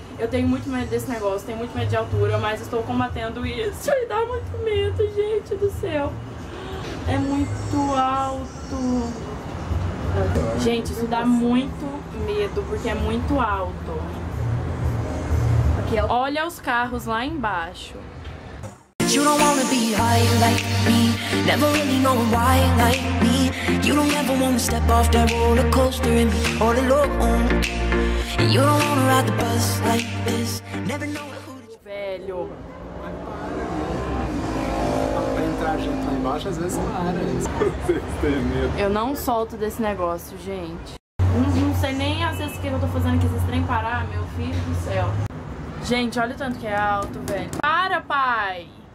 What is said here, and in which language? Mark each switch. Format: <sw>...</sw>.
<pt>Eu tenho muito medo desse negócio, tenho muito medo de altura, mas estou combatendo isso. E dá muito medo, gente do céu. É muito alto. Gente, isso dá muito medo, porque é muito alto. Olha os carros lá embaixo.</pt> <en>You don't wanna be high like me. Never really know why like me. You don't ever wanna step off that roller coaster and be all alone. And you don't wanna ride the bus like this. Never know who to...</en> <pt>Velho. entrar junto lá embaixo, às vezes para. Vocês têm medo. Eu não solto desse negócio, gente. Não sei nem às vezes o que eu tô fazendo aqui, vocês têm que parar, meu filho do céu. Gente, olha o tanto que é alto, velho. Para, pai!</pt>